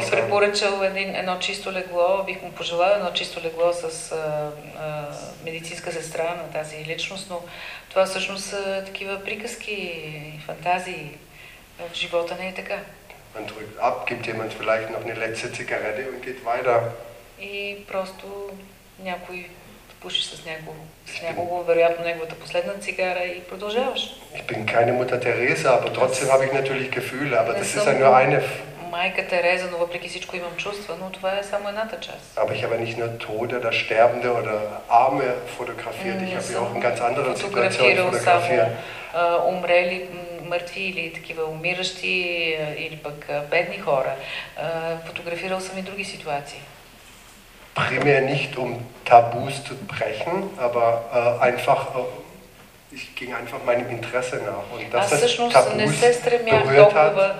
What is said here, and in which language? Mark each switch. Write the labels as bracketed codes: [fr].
[bg] бих препоръчал едно чисто легло, бих му пожелал едно чисто легло с медицинска сестра на тази личност, но това всъщност са такива приказки и фантазии. В живота не е така. [de] Man drückt ab, gibt jemand vielleicht noch eine letzte Zigarette und geht weiter. [bg] И просто някой пуши с някого, вероятно неговата последна цигара и продължаваш. [de] Ich bin keine Mutter Teresa, aber trotzdem habe ich natürlich Gefühle, aber das ist ja nur eine. [bg] Майка Тереза, но въпреки всичко имам чувства, но това е само едната част. [de] Aber ich habe nicht nur Tote oder Sterbende oder Arme fotografiert, ich habe auch in ganz andere Situationen fotografiert. [bg] Умрели, мъртви или такива умиращи, или пък бедни хора. Фотографирал съм и други ситуации. [de] Primär nicht um Tabus zu brechen, aber einfach, ich ging einfach meinem Interesse nach. Und dass das Tabus berührt hat,